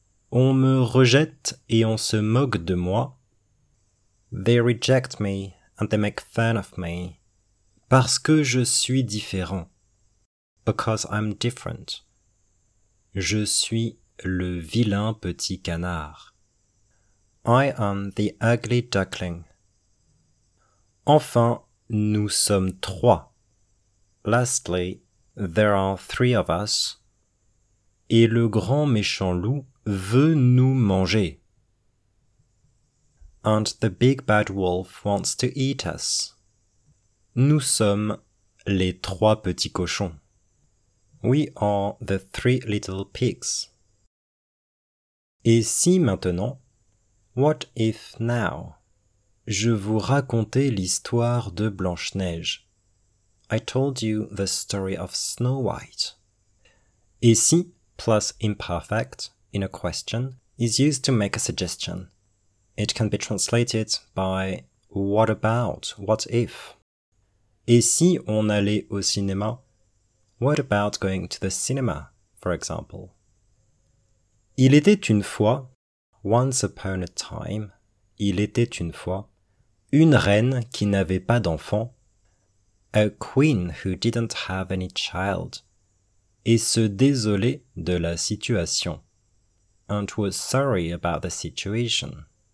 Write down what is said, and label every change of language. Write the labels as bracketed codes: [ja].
[fr] On me rejette et on se moque de moi. [en] They reject me and they make fun of me. [fr] Parce que je suis différent. [en] Because I'm different. [fr] Je suis le vilain petit canard. [en] I am the ugly duckling. [fr] Enfin, nous sommes trois. [en] Lastly, there are three of us. [fr] Et le grand méchant loup veut nous manger. [en] And the big bad wolf wants to eat us. [fr] Nous sommes les trois petits cochons. [en] We are the three little pigs. [fr] Et si maintenant, [en] what if now, [fr] je vous racontais l'histoire de Blanche-Neige? [en] I told you the story of Snow White. Et si, plus imperfect, in a question, is used to make a suggestion. It can be translated by what about, what if. [fr] Et si on allait au cinéma? [en] What about going to the cinema, for example? [fr] Il était une fois, [en] once upon a time, [fr] il était une fois, une reine qui n'avait pas d'enfant, [en] a queen who didn't have any child, [fr] et se désolait de la situation, [en] and was sorry about the situation.